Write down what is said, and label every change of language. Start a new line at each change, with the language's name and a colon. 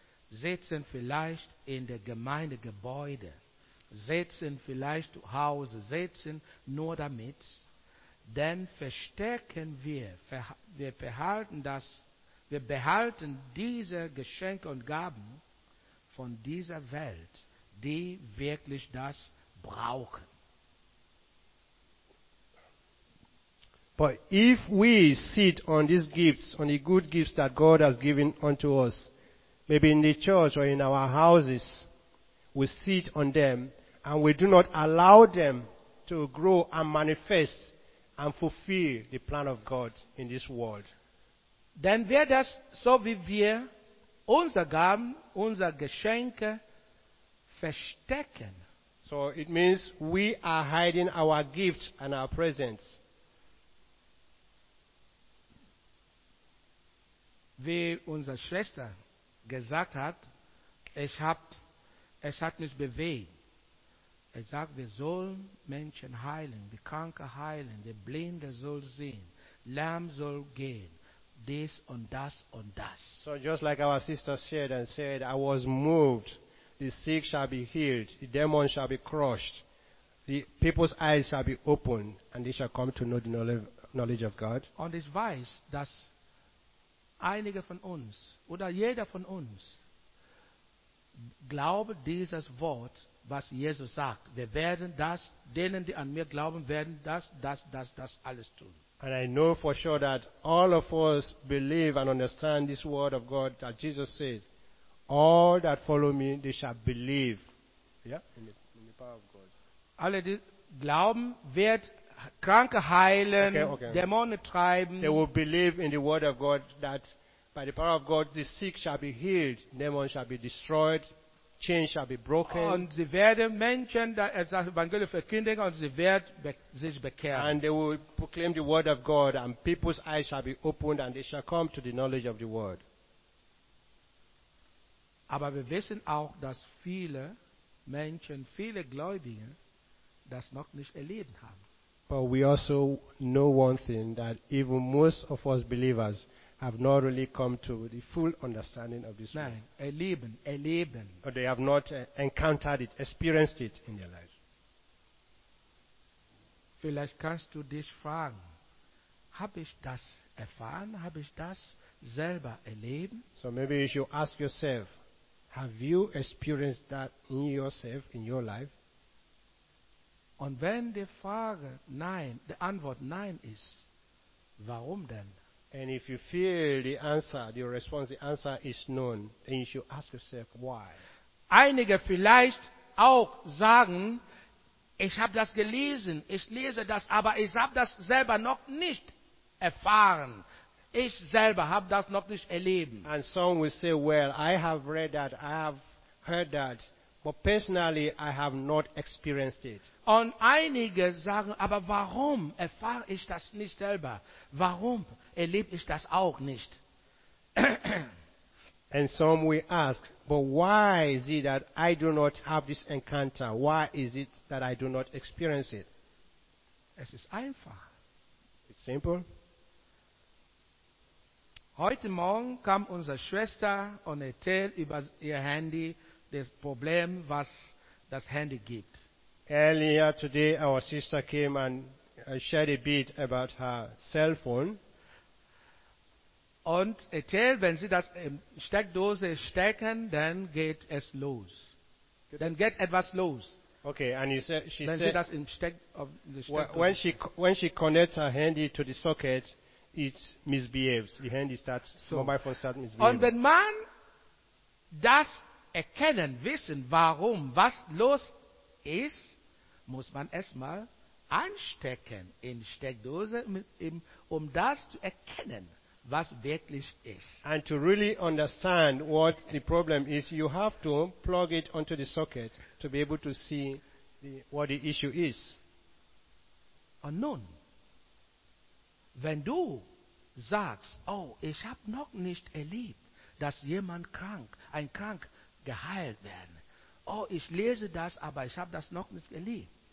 German: Sitzen vielleicht in der Gemeindegebäude, sitzen vielleicht zu Hause, sitzen nur damit, dann verstärken wir behalten das, wir behalten diese Geschenke und Gaben von dieser Welt, die wirklich das brauchen.
English: But if we sit on these gifts, on the good gifts that God has given unto us, maybe in the church or in our houses, we sit on them and we do not allow them to grow and manifest, and fulfill the plan of God in this world.
German: Denn wer das, so wie wir unsere Gaben, unsere Geschenke verstecken.
English: So it means we are hiding our gifts and our presents.
German: Wie unsere Schwester gesagt hat, es hat mich bewegt. Er sagt, wir sollen Menschen heilen, die Kranke heilen, die Blinde soll sehen, Lärm soll gehen,
English: this
German: und das und das.
English: So just like our sister shared and said, I was moved. The sick shall be healed, the demon shall be crushed, the people's eyes shall be opened, and they shall come to know the knowledge of God.
German: Und ich weiß, dass einige von uns oder jeder von uns glaubt dieses Wort, was Jesus sagt. Wir werden das, denen, die an mir glauben, werden das alles tun.
English: And I know for sure that all of us believe and understand this word of God that Jesus says, all that follow me, they shall believe. Yeah? In the power of God.
German: Alle, die glauben, wird Kranke heilen, okay. Dämonen treiben.
English: They will believe in the word of God that by the power of God, the sick shall be healed, demons shall be destroyed, chains shall be broken.
German: Und sie werden Menschen das Evangelium verkündigen und sie werden sich bekehren.
English: And they will proclaim the word of God and people's eyes shall be opened and they shall come to the knowledge of the word.
German: Aber wir wissen auch, dass viele Menschen, viele Gläubige, das noch nicht erlebt haben.
English: But we also know one thing, that even most of us believers have not really come to the full understanding of this word.
German: Nein, erleben.
English: Or they have not encountered it, experienced it in their lives.
German: Vielleicht kannst du dich fragen, habe ich das erfahren? Habe ich das selber erlebt?
English: So maybe you should ask yourself, have you experienced that in yourself, in your life?
German: Und wenn die Frage nein, die Antwort nein ist, warum denn?
English: And if you feel the answer, the response, the answer is known, then you should ask yourself why.
German: Einige vielleicht auch sagen, ich habe das gelesen, ich lese das, aber ich habe das selber noch nicht erfahren. Ich selber habe das noch nicht erlebt.
English: And some will say, well, I have read that, I have heard that, but personally I have not experienced it.
German: Und einige sagen, aber warum erfahre ich das nicht selber? Warum erlebe ich das auch nicht?
English: And some we ask, but why is it that I do not have this encounter? Why is it that I do not experience it?
German: Es ist einfach.
English: It's simple.
German: Heute Morgen kam unsere Schwester und erzählte über ihr Handy das Problem, was das Handy gibt.
English: Earlier today, our sister came and shared a bit about her cell phone.
German: Und erzählt, wenn sie das in Steckdose stecken, dann geht es los. Dann geht etwas los.
English: Okay, and you said she
German: wenn
English: said
German: sie das in Steckdose.
English: When she connects her handy to the socket, it misbehaves. The handy starts, so, mobile phone starts misbehaving.
German: Und wenn man das erkennen, wissen, warum, was los ist, muss man erstmal anstecken in Steckdose, um das zu erkennen, was wirklich ist.
English: And to really understand what the problem is, you have to plug it onto the socket to be able to see what the issue is.
German: Und nun, wenn du sagst, oh, ich habe noch nicht erlebt, dass jemand krank, ein Krank geheilt werden. Oh, ich lese das, aber ich habe das noch nicht erlebt.